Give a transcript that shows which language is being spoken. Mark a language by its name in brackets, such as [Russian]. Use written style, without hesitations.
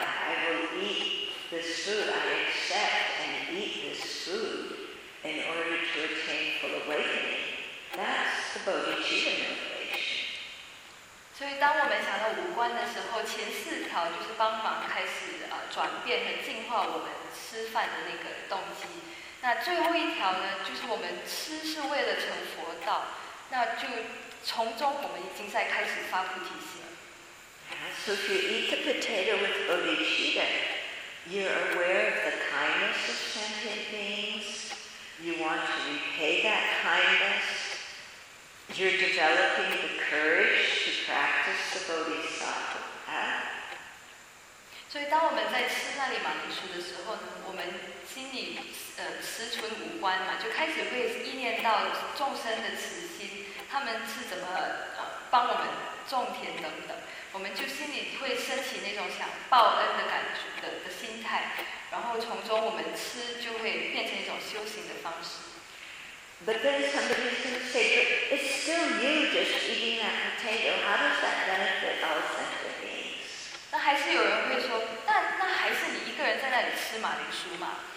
[English] I will eat this food. I accept and eat this food in order to attain full awakening. That's the bodhicitta motivation. [Chinese] 所以，当我们想到五观的时候，前四条就是帮忙开始转变和净化我们吃饭的那个动机。那最后一条呢，就是我们吃是为了成佛道。那就从中我们已经在开始发菩提心。 [English] So if you eat the potato with bodhicitta, you're aware of the kindness of sentient beings, you want to repay that kindness, you're developing the courage to practice the bodhisattva path. [Chinese] 所以当我们在吃那粒马铃薯的时候呢，我们心里思存五观嘛，就开始会意念到众生的慈心，他们是怎么帮我们种田等等。我们就心里会升起那种想报恩的感觉 的心态，然后从中我们吃就会变成一种修行的方式。 [English] But then somebody can say, but it's still you just eating that potato. How does that benefit all sentient beings? [Chinese] 那还是有人会说，那还是你一个人在那里吃马铃薯嘛？